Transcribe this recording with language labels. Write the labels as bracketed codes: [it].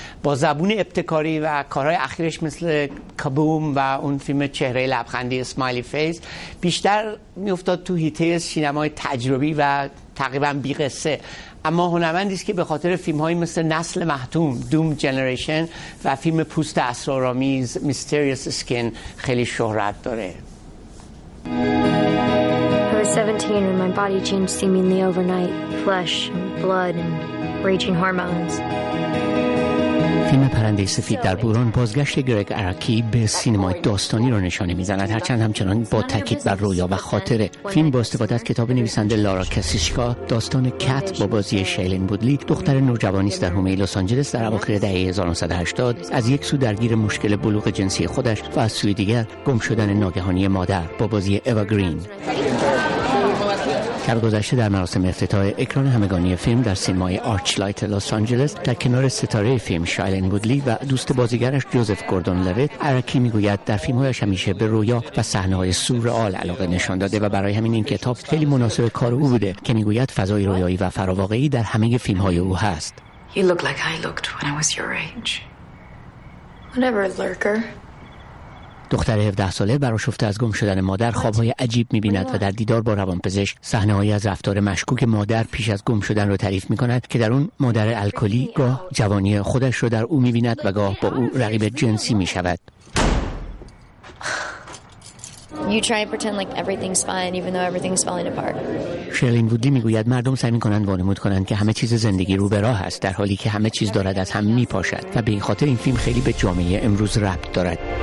[fa] با زبون ابتکاری و کارهای اخیرش مثل کابوم و اون فیلم چهره لبخندی اسمایلی فیس بیشتر میافتاد تو هیته سینمای تجربی و تقریبا بی قصه، اما هنرمندی است که به خاطر فیلم‌هایی مثل نسل محتوم دوم جنریشن و فیلم پوست اسرارآمیز میستریوس اسکین خیلی شهرت داره. [en] I was 17 when my body changed seemingly overnight. Flesh and blood and raging hormones. [fa] فیلم پرنده سفید در بوران بازگشت گرگ اراکی به سینمای داستانی رو نشانه میزند، هرچند همچنان با تاکید بر رویا و خاطره. فیلم با استفاده از کتاب نویسنده لارا کاسیشکا داستان کت با بازی شیلین بودلی، دختر نوجوانی است در حومه لس آنجلس در اواخر دهه 1980، از یک سو درگیر مشکل بلوغ جنسی خودش و از سوی دیگر گم شدن ناگهانی مادر با بازی اوا گرین. در گذشته در مراسم افتتاح اکران همگانی فیلم در سینمای آرچ لایت لس آنجلس در کنار ستاره فیلم شایلین وودلی و دوست بازیگرش جوزف گوردون لوت، اراکی میگوید در فیلمهایش همیشه به رویا و صحنه‌های سورئال علاقه نشان داده و برای همین این کتاب خیلی مناسب کار او بوده، که میگوید فضای رویایی و فراواقعی در همه فیلمهای او هست. [en] He looked like I looked when I was your age. Whatever, lurker. [fa] دختر 17 ساله برآشفته از گم شدن مادر خوابهای عجیب می‌بیند و در دیدار با روانپزشک صحنه‌هایی از رفتار مشکوک مادر پیش از گم شدن را تعریف می‌کند که در اون مادر الکلی گاه جوانی خودش را در او می‌بیند و گاه با او رقیب جنسی می‌شود. [en] You try and pretend like everything's fine even though everything's falling apart. [fa] شیلین وودلی میگوید مردم سعی میکنند وانمود کنند که همه چیز زندگی رو به راه است، در حالی که همه چیز دارد از هم میپاشد و به این خاطر این فیلم خیلی به جامعه امروز ربط دارد.